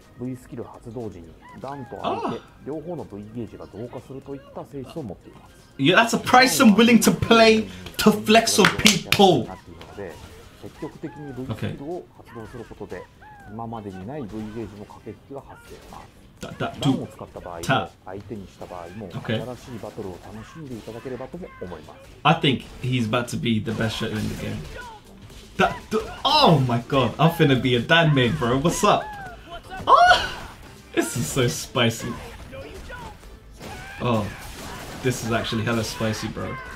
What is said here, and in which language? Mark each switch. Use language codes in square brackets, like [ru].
[ja] V スキル発動時にダンと相手両方の V ゲージが増加するといった性質を持っています。 [en] Yeah, that's a price I'm willing to play to flex on people. [ja] 積極的に V スキルを発動することで今までにない V ゲージの駆け引きが発生します。ダンを使った場合も相手にした場合も新しいバトルを楽しんでいただければとも思います。 [en] I think he's about to be the best shooter in the game. Oh my god, I'm finna be a Dan main, bro. What's up? This is so spicy. Oh, this is actually hella spicy, bro.